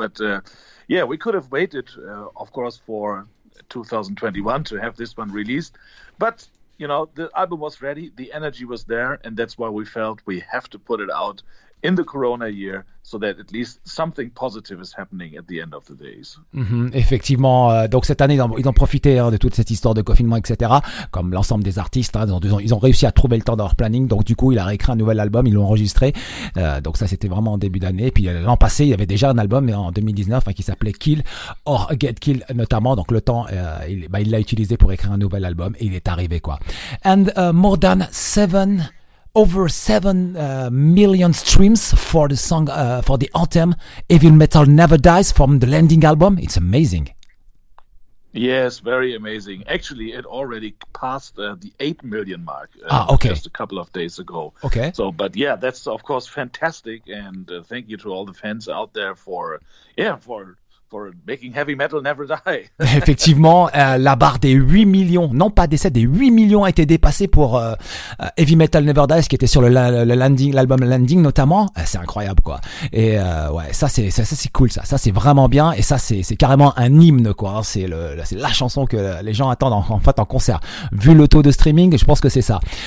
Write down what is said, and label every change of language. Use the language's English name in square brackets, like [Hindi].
[English] But yeah, we could have waited, of course, for 2021 to have this one released. But you know, the album was ready, the energy was there, and that's why we felt we have to put it out in the corona year, so that at least something positive is happening at the end of the days. [French] Mm-hmm, effectivement, donc cette année, ils ont profité de toute cette histoire de confinement, etc., comme l'ensemble des artistes, ils ont réussi à trouver le temps dans leur planning, donc du coup, il a réécrit un nouvel album, ils l'ont enregistré, donc ça, c'était vraiment en début d'année, puis l'an passé, il y avait déjà un album, en 2019, qui s'appelait Kill or Get Killed, notamment, donc le temps, il l'a utilisé pour écrire un nouvel album, et il est arrivé, quoi. [English] And more than over 7 million streams for the song, for the anthem Evil Metal Never Dies from the Landing album. It's amazing. Yes, very amazing. Actually, it already passed the 8 million mark just a couple of days ago. Okay. So, but yeah, that's of course fantastic, and thank you to all the fans out there for for making heavy metal never die. [French] Effectivement, la barre des 8 millions, non pas des 7, des 8 millions a été dépassée pour Heavy Metal Never Dies, qui était sur le landing, l'album Landing notamment. C'est incroyable, quoi. Et ouais, ça c'est cool, ça. Ça c'est vraiment bien, et ça c'est carrément un hymne, quoi. C'est la chanson que les gens attendent en fait en concert. Vu le taux de streaming, je pense que c'est ça.